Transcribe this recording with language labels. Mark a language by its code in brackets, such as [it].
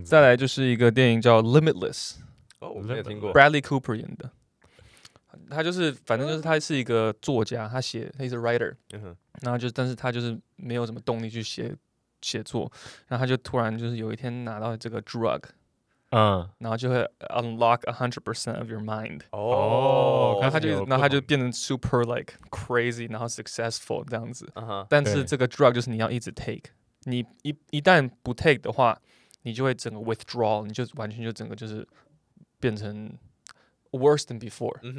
[zh] 再来就是一个电影叫《Limitless》，哦，我没有听过，Bradley Cooper 演的，他就是反正就是他是一个作家，他写 ， [en] He's a writer，、 [zh] 然后就但是他就是没有什么动力去写作，然后他就突然就是有一天拿到这个 drug。然后就会 [en] unlock 100% of your mind。 [zh] 哦，然后他就变成 [en] super like crazy， [zh] 然后 successful 这样子。但是这个 drug 就是你要一直 take， 你一旦不 take 的话，你就会整个 withdraw， 你就完全就整个就是变成 [en] worse than before。